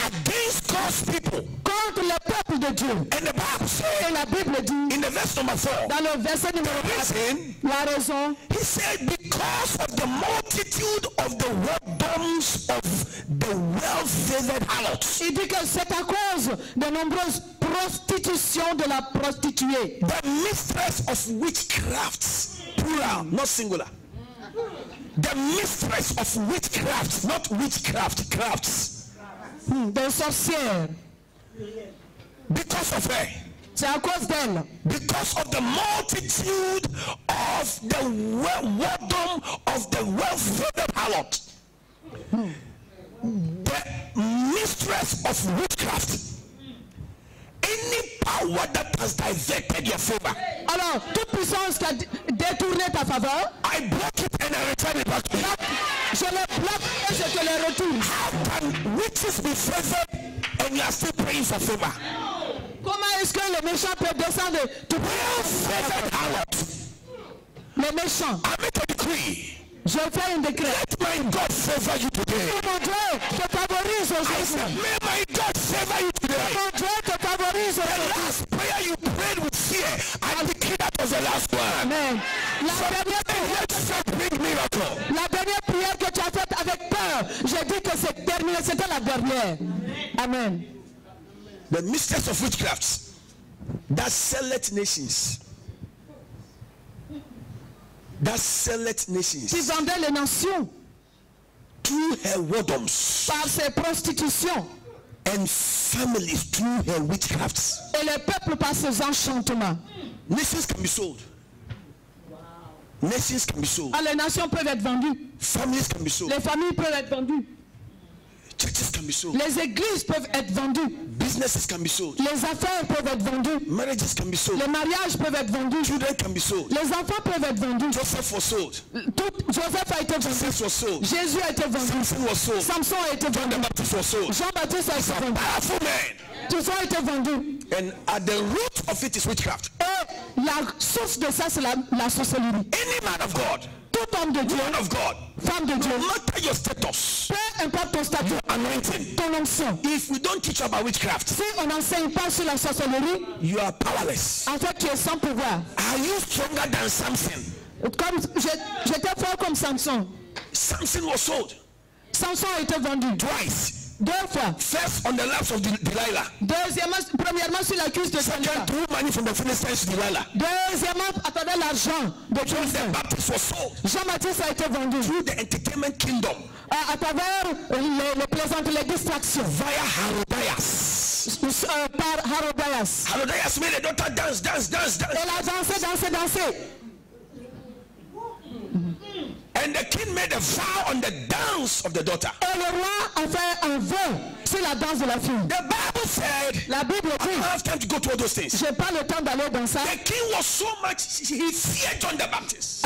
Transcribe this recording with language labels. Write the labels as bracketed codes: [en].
[en] Against God's people. [fr] Contre le peuple de Dieu. [en] And the Bible says. [fr] Et la Bible dit. [en] In the verse number 4. [fr] Dans le verset numéro 4. La raison. [en] He said, because of the multitude of the whoredoms of the well-favored harlots. [fr] Il dit que c'est à cause de nombreuses prostitution de la prostituée. [en] The mistress of witchcraft, plural, not singular. The mistress of witchcraft, not witchcraft, crafts. [fr] De sorcière. [en] Because of her. [fr] C'est à cause d'elle. [en] Because of the multitude of the whoredom of the well-favored harlot. The mistress of witchcraft. Any power that has diverted your favor. [fr] Alors, toute puissance qui a détourné ta faveur. [en] I block it and I return it back to you. [fr] Je le bloque et je te le retourne. [en] How can witches be favored and you are still praying for favor? [fr] Comment est-ce que le méchant peut descendre? [en] To well-favored harlot. [fr] Le méchant. [en] I make a decree. [fr] Je fais un décret. [en] Let my God favor you today. [fr] Que mon Dieu te favorise aujourd'hui. [en] I said, may my God favor you today. [fr] Que mon Dieu te favorise aujourd'hui. [en] The last prayer you prayed with fear, I decree that was the last one. Amen. [fr] La dernière prière que tu as faite avec peur, j'ai dit que c'est terminé, c'était la dernière. Amen. [en] The mistress of witchcraft that selleth nations. That selleth nations. [fr] Qui vendait les nations. [en] Through her whoredoms. [fr] Par ses prostitutions. [en] And families through her witchcrafts. [fr] Et le peuple par ses enchantements. [en] Nations can be sold. Wow. Nations can be sold. [fr] Ah, les nations peuvent être vendues. [en] Families can be sold. [fr] Les familles peuvent être vendues. [en] Churches can be sold. [fr] Les églises peuvent être vendues. [en] Businesses can be sold. [fr] Les affaires peuvent être vendues. [en] Marriages can be sold. [fr] Les mariages peuvent être vendus. [en] Children can be sold. [fr] Les enfants peuvent être vendus. [en] Joseph was sold. [fr] Tout Joseph a été vendu. [en] Jesus was sold. [fr] Jésus a été vendu. [en] Samson was sold. [fr] Samson a été vendu. [en] John the Baptist was sold. [fr] Jean-Baptiste a été vendu. [en] Powerful man. [fr] Tout ça a été vendu. [en] And at the root of it is witchcraft. [fr] Et la source de ça c'est la sorcellerie. [en] Any man of God. [fr] Tout homme de Dieu. [en] Man of God. [fr] Femme de Dieu. [en] No matter your status. [fr] Peu importe ton statut. [en] Your anointing. [fr] Ton onction. [en] If we don't teach about witchcraft. [fr] Si on n'enseigne pas sur la sorcellerie. [en] You are powerless. [fr] En fait, tu es sans pouvoir. [en] Are you stronger than Samson? [fr] J'étais fort comme Samson. [en] Samson was sold. [fr] Samson a été vendu. [en] Twice. [fr] Deux fois. [en] First on the laps of Delilah. [fr] Deuxièmement, premièrement sur la cuisse de Samson. [en] Second, threw money from the Philistines to Delilah. [fr] Deuxièmement, à travers l'argent de [en] Jean Baptiste was sold. [fr] Jean Baptiste a été vendu. [en] Through the entertainment kingdom. [fr] À travers le plaisante, les distractions. [en] Via Harodias. [fr] Par Harodias. [en] Harodias made a daughter dance. [fr] Elle a dansé. [en] And the king made a vow on the dance of the daughter. [fr] Et le roi a fait un vœu sur la danse de la fille. [en] The Bible said, [fr] la Bible dit, [en] I don't have time to go to all those things. [fr] J'ai pas le temps d'aller dans ça. [en] The king was so much, he feared John the Baptist.